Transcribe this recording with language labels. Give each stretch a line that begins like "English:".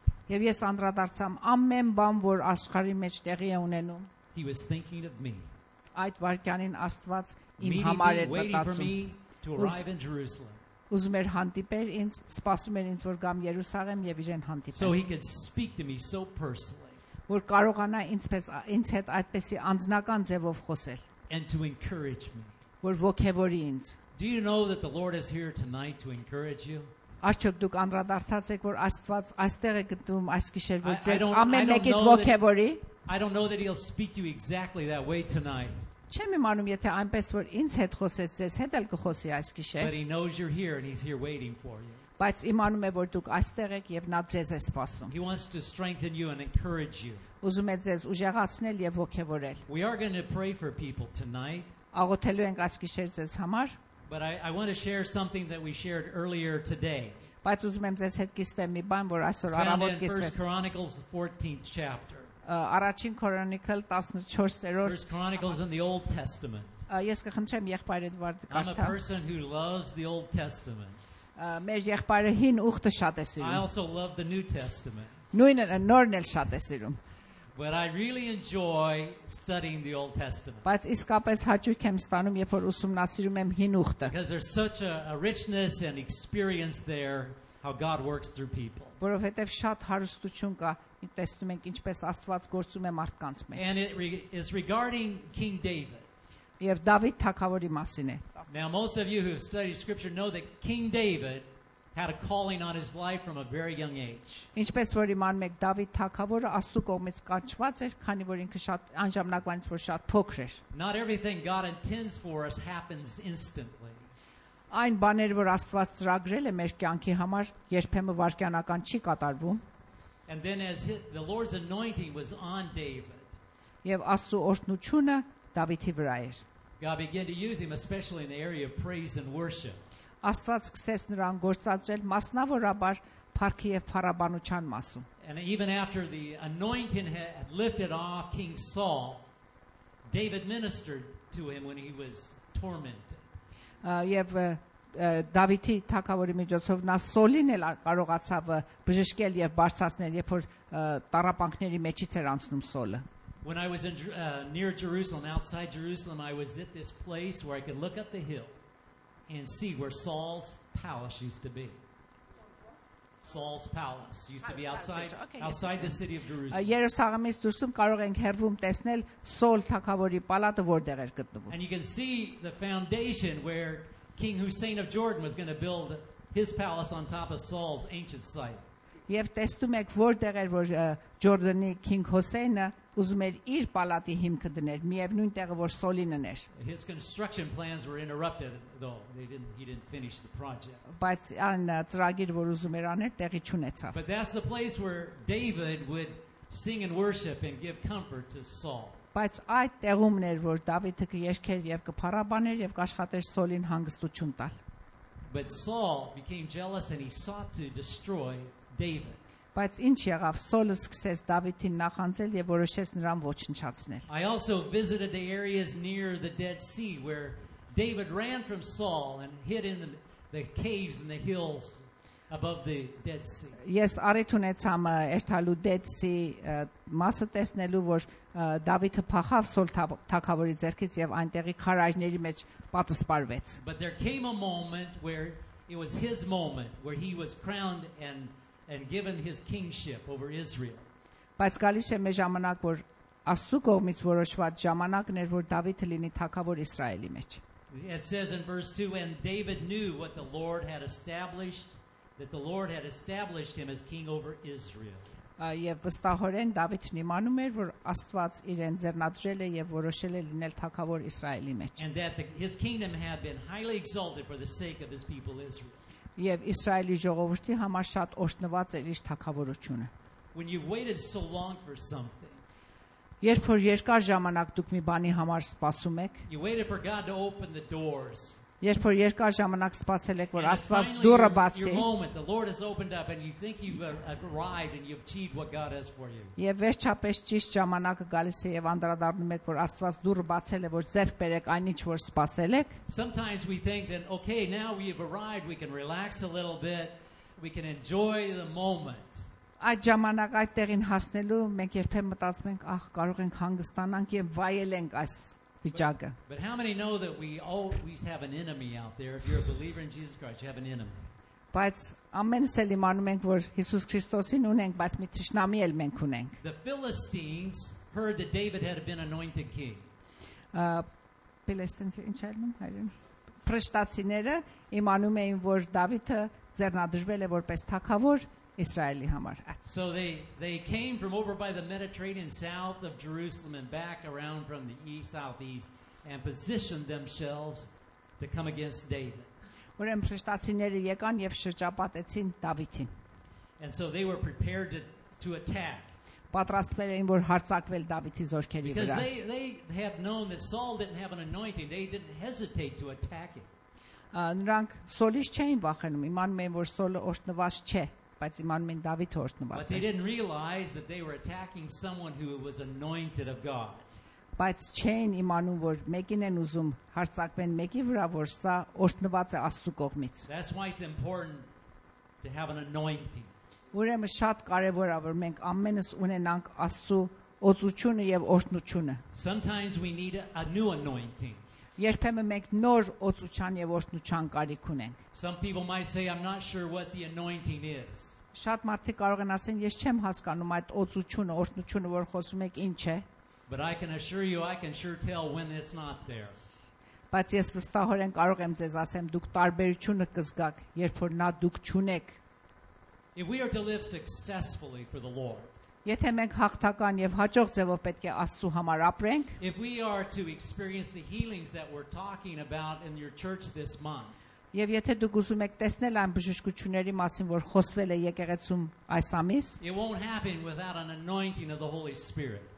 Armenian: Եվ ես անդրադարձամ ամեն բան, որ աշխարհի մեջ տեղի է ունենում.
English: He was thinking of me.
Armenian: Այդ վարկյանին Աստված իմ համար էր մտածում. Ուզում էր հանդիպել ինձ, սպասում էր ինձ, որ գամ Երուսաղեմ եւ իրեն հանդիպեմ.
English: So he could speak to me so personally.
Armenian: Որ կարողանա ինձ հետ այդպեսի անձնական ձևով խոսել.
English: And to encourage me.
Armenian: Որ ոգևորի ինձ.
English: Do you know that the Lord is here tonight to encourage you?
Armenian: Արդյոք դուք անդրադարձած եք, որ Աստված այստեղ է գտնում այս գիշեր, որ ձեզ ամեն մեկից ոգևորի?
English: I don't know that he'll speak to you exactly that way tonight.
Armenian: Չեմ իմանում, եթե այնպես որ ինձ հետ խոսես, ձեզ հետ էլ կխոսի այս գիշեր.
English: But he knows you're here and he's here waiting for you.
Armenian: Բայց իմանում է, որ դուք այստեղ եք եւ նա ձեզ է սպասում.
English: He wants to strengthen you and encourage you.
Armenian: Ուզում է ձեզ ուժեղացնել եւ ոգեւորել.
English: We are going to pray for people tonight.
Armenian: Աղոթելու ենք այս գիշեր ձեզ համար.
English: But I want to share something that we shared earlier today.
Armenian: Բայց ուզում եմ ձեզ հետ կիսվեմ մի բան, որ այսօր առավոտ կիսվեմ.
English: First Chronicles 14th chapter.
Armenian: Առաջին քրոնիկել 14-րդ.
English: First Chronicles in the Old Testament.
Armenian: Ես կխնդրեմ եղբայր Էդվարդ կարդալ.
English: I'm a person who loves the Old Testament.
Armenian: Մեր եղբայրը հին ուխտը շատ է սիրում.
English: I also love the New Testament.
Armenian: Նույնը նորն էլ շատ է սիրում.
English: But I really enjoy studying the Old Testament.
Armenian: Բայց իսկապես հաճույք եմ ստանում, երբ որ ուսումնասիրում եմ հին ուխտը.
English: Because there's such a richness and experience there how God works through people.
Armenian: Որովհետև շատ հարստություն կա, տեսնում ենք ինչպես Աստված գործում է մարդկանց մեջ.
English: And it is regarding King David.
Armenian: Եվ Դավիթ թագավորի մասին է.
English: Now most of you who have studied scripture know that King David had a calling on his life from a very young age.
Armenian: Ինչպես որ իման մեկ Դավիթ թագավորը Աստծո կողմից կանչված էր, քանի որ ինքը շատ անժամանակվանից որ շատ փոքր էր.
English: Not everything God intends for us happens instantly.
Armenian: Այն բաներ, որ Աստված ծրագրել է մեր կյանքի համար, երբեմն վարքյանական չի կատարվում.
English: And then as the Lord's anointing was on David.
Armenian: Եվ Աստծո օրհնությունը Դավիթի վրա էր.
English: God began to use him especially in the area of praise and worship.
Armenian: Աստված սկսեց նրան գործածել մասնավորաբար փառքի եւ փառաբանության մասում.
English: And even after the anointing had lifted off King Saul, David ministered to him when he was tormented.
Armenian: Եվ Դավիթի թագավորի միջոցով նա Սոլին էլ կարողացավ բժշկել եւ բարձրացնել, երբ որ տառապանքների մեջից էր անցնում Սոլը.
English: When I was in near Jerusalem, outside Jerusalem, I was at this place where I could look up the hill and see where Saul's palace used to be. Saul's palace used to be outside the city of Jerusalem.
Armenian: Երուսաղեմից դուրսում կարող ենք հեռվում տեսնել Սոլ թագավորի պալատը, որտեղ էր գտնվում.
English: And you can see the foundation where King Hussein of Jordan was going to build his palace on top of Saul's ancient site.
Armenian: Եվ տեսնում եք որտեղ էր որ Ջորդանի King Hussein-ը ուզում էր իր պալատի հիմքը դներ, միևնույն տեղը որ Սոլինն էր։
English: His construction plans were interrupted though. He didn't finish the project.
Armenian: Բայց այն ծրագիր, որ ուզում էր անել, տեղի չունեցավ։
English: But that's the place where David would sing and worship and give comfort to Saul.
Armenian: Բայց այդ տեղումն էր որ Դավիթը կերքեր եւ կփառաբաներ եւ կաշխատեր Սոլին հանգստություն տալ։
English: But Saul became jealous and he sought to destroy David.
Armenian: Բայց ինչ եղավ, Սոլը սկսեց Դավիթին նախանձել եւ որոշեց նրան ոչնչացնել։
English: I also visited the areas near the Dead Sea where David ran from Saul and hid in the caves and the hills above the Dead Sea.
Armenian: Ես առիթ ունեցա երթալու Dead Sea մասը տեսնելու, որ Դավիթը փախավ Սոլ թագավորի ձեռքից եւ այնտեղի քարայրների մեջ պատսպարվեց։
English: But there came a moment where it was his moment where he was crowned and given his kingship over Israel.
Armenian: Բայց գալիս է մեր ժամանակ, որ Աստծո կողմից որոշված ժամանակն էր, որ Դավիթը լինի թագավոր Իսրայելի մեջ.
English: It says in verse 2, and David knew what the Lord had established, that the Lord had established him as king over Israel.
Armenian: Եվ վստահորեն Դավիթ իմանում էր, որ Աստված իրեն ձեռնադրել է եւ որոշել է լինել թագավոր Իսրայելի մեջ.
English: And that his kingdom had been highly exalted for the sake of his people Israel.
Armenian: Եվ Իսրայելի ժողովրդի համար շատ օրհնված էր իր թագավորությունը.
English: When you've waited so long for something,
Armenian: երբ որ երկար ժամանակ դուք մի բանի համար սպասում եք,
English: you waited for God to open the doors.
Armenian: Երբ որ երկար ժամանակ սպասել եք, որ Աստված դուռը բացի,
English: your moment, the Lord has opened up and you think you've arrived and you've achieved what God has for you.
Armenian: Եվ վերջապես ճիշտ ժամանակը գալիս է եւ անդրադառնում եք, որ Աստված դուռը բացել է, որ ձեր բերեք այնինչ որ սպասել եք.
English: Sometimes we think that okay, now we have arrived, we can relax a little bit, we can enjoy the moment.
Armenian: Այդ ժամանակ այդտեղին հասնելու մենք երբեմն մտածում ենք, ահ, կարող ենք հանգստանանք եւ վայելենք այս վիճակը։
English: But how many know that we always have an enemy out there? If you're a believer in Jesus Christ, you have an enemy.
Armenian: Բայց ամենս էլ իմանում ենք, որ Հիսուս Քրիստոսին ունենք, բայց մի ճշնամի էլ մենք ունենք։
English: The Philistines heard that David had been anointed king. Philistines in Chalmum, I don't know.
Armenian: Փրշտացիները իմանում էին, որ Դավիթը ձեռնադրվել է որպես թագավոր Իսրայելի համար.
English: So they came from over by the Mediterranean south of Jerusalem and back around from the east southeast and positioned themselves to come against David.
Armenian: Որեմ փրշտացիները եկան եւ շրջապատեցին Դավիթին.
English: And so they were prepared to attack.
Armenian: Պատրաստվել էին որ հարձակվել Դավիթի զորքերի վրա.
English: Because they had known that Saul didn't have an anointing, they didn't hesitate to attack him.
Armenian: Նրանք Սոլից չէին վախենում, իմանում էին որ Սոլը օրհնված չէ. Բայց իմանում են Դավիթը օրհնված է։
English: But they didn't realize that they were attacking someone who was anointed of God.
Armenian: Բայց չէին իմանում որ մեկին են ուզում հարձակվեն մեկի վրա, որ սա օրհնված է Աստծո կողմից։
English: That's why it's important to have an anointing.
Armenian: Ուրեմն շատ կարևոր է որ մենք ամենս ունենանք Աստծո օծությունը եւ օրհնությունը։
English: Sometimes we need a new anointing.
Armenian: Երբեմն մենք նոր օծության եւ օրհնության կարիք ունենք։
English: Some people might say I'm not sure what the anointing is.
Armenian: Շատ մարդիկ կարող են ասեն, ես չեմ հասկանում այդ օծությունը, օրհնությունը, որ խոսում եք, ինչ է։
English: But I can assure you I can sure tell when it's not there.
Armenian: Բայց ես վստահորեն կարող եմ ձեզ ասեմ, դուք տարբերությունը կզգաք, երբ որ նա դուք չունեք։
English: If we are to live successfully for the Lord,
Armenian: եթե մենք հաղթական եւ հաջող ձեւով պետք է Աստծո համար ապրենք,
English: if we are to experience the healings that we're talking about in your church this month,
Armenian: եւ եթե դուք ուզում եք տեսնել այն բժշկությունների մասին, որ խոսվել է եկեղեցում այս ամիս,
English: it won't happen without an anointing of the Holy Spirit.